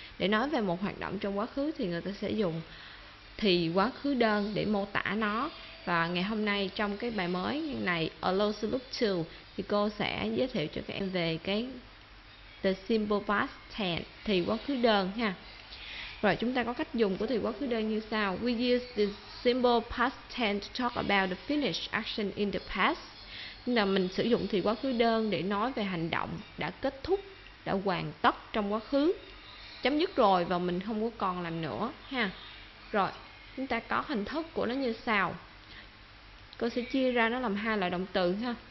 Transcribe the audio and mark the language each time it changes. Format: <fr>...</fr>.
<vi>Để nói về một hoạt động trong quá khứ thì người ta sẽ dùng thì quá khứ đơn để mô tả nó. Và ngày hôm nay trong cái bài mới này, A Lost Look 2, thì cô sẽ giới thiệu cho các em về cái The Simple Past Tense, thì quá khứ đơn ha. Rồi, chúng ta có cách dùng của thì quá khứ đơn như sau.</vi> <en>We use the simple past tense to talk about the finished action in the past.</en> <vi>Nên là mình sử dụng thì quá khứ đơn để nói về hành động đã kết thúc, đã hoàn tất trong quá khứ, chấm dứt rồi và mình không có còn làm nữa ha. Rồi, chúng ta có hình thức của nó như sau. Cô sẽ chia ra nó làm hai loại động từ ha.</vi>